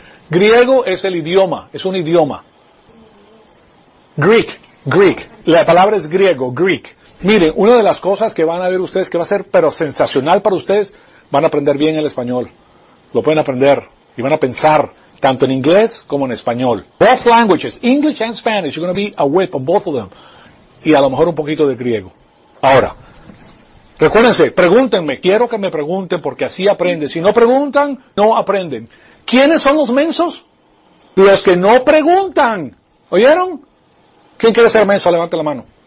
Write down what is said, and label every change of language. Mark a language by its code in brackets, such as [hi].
[es] Griego es el idioma. Es un idioma. Greek. Greek. La palabra es griego. Greek. Miren, una de las cosas que van a ver ustedes, que va a ser pero sensacional para ustedes, van a aprender bien el español. Lo pueden aprender y van a pensar tanto en inglés como en español. [en] Both languages, English and Spanish, you're going to be a whip on both of them. [es] Y a lo mejor un poquito de griego. Ahora, recuérdense, pregúntenme, quiero que me pregunten porque así aprenden. Si no preguntan, no aprenden. ¿Quiénes son los mensos? Los que no preguntan. ¿Oyeron? ¿Quién quiere ser menso? Levante la mano.